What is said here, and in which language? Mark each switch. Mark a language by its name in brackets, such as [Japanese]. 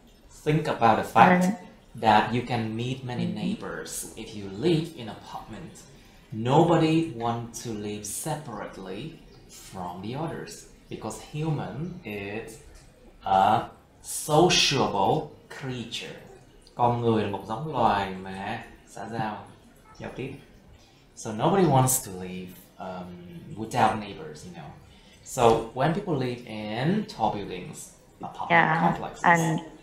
[English] Think about the fact that you can meet many neighbors if you live in an apartment. Nobody wants to live separately from the others because human is a sociable creature. [Vietnamese] Con người là một giống loài mà xã giao, giao tiếp. [English] So nobody wants to live without neighbors, you know. So when people live in tall buildings, apartment complexes,